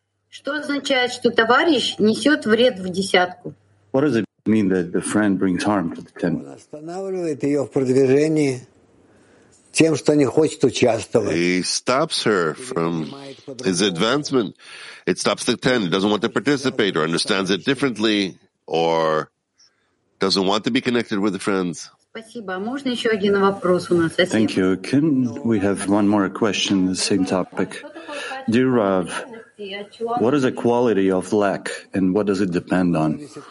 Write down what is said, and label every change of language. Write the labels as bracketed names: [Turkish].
[Russian] Что означает, что товарищ несет вред в десятку? [English] What does it mean that the friend brings harm to the ten? [Russian] Он останавливает ее в продвижении тем, что не хочет участвовать. [English] He stops her from his advancement. It stops the ten. He doesn't want to participate or understands it differently or doesn't want to be connected with the friends. Thank you. Can we have one more question on the same topic? Dear Rav, what is a quality of lack and what does it depend on?